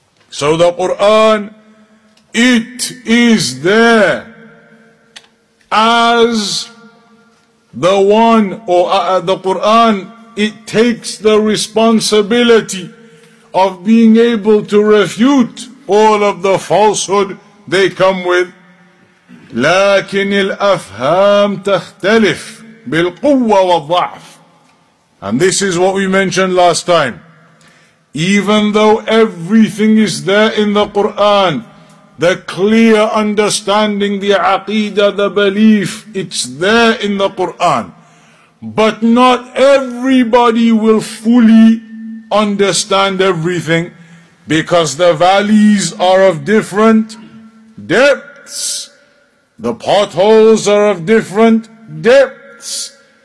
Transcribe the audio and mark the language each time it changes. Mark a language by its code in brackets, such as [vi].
[en] So the Qur'an, it is there as the one, or the Qur'an, it takes the responsibility of being able to refute all of the falsehood they come with. [ar] لكن الأفهام تختلف بالقوة والضعف. [en] And this is what we mentioned last time. Even though everything is there in the Quran, the clear understanding, the aqidah, the belief, it's there in the Quran, but not everybody will fully understand everything, because the valleys are of different depths. The potholes are of different depths.